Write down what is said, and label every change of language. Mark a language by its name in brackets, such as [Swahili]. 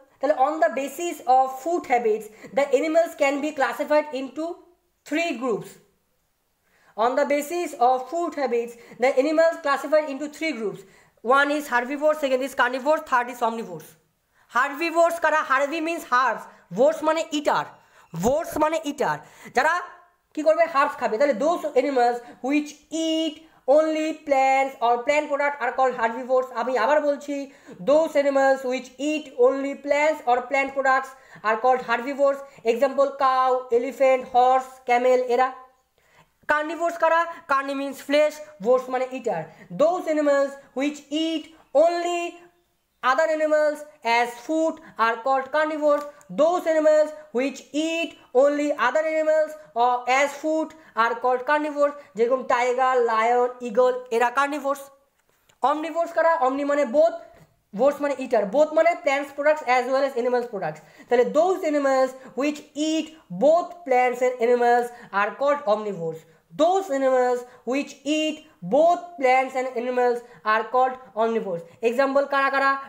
[English] তাহলে on the basis of food habits the animals can be classified into three groups. On the basis of food habits the animals classified into three groups, one is herbivores, second is carnivores, third is omnivores. Herbivores কারা? Herbi means herbs, vores মানে eater, vores মানে eater, [Bangla] যারা কি করবে? Herbs খাবে। [English] তাহলে those animals which eat only plants or plant product are called herbivores. [Bangla] আমি আবার বলছি, [English] those animals which eat only plants or plant products are called herbivores. Example, cow, elephant, horse, camel, era. Carnivores [Bangla] kara? [English] Carni means flesh, vores মানে eater. Those animals which eat only other animals as food are called carnivores. Those animals which eat only other animals as food are called carnivores. [Bangla] যেরকম tiger, lion, eagle, এরা কার্নিভোর্স। অমনিভোর্স কারা? [English] Omni মানে both, vores মানে eater, both মানে plants products as well as animals products. তাহলে those animals which eat both plants and animals are called omnivores. Those animals which eat both plants and animals are called omnivores. Example [Bangla] কারা কারা?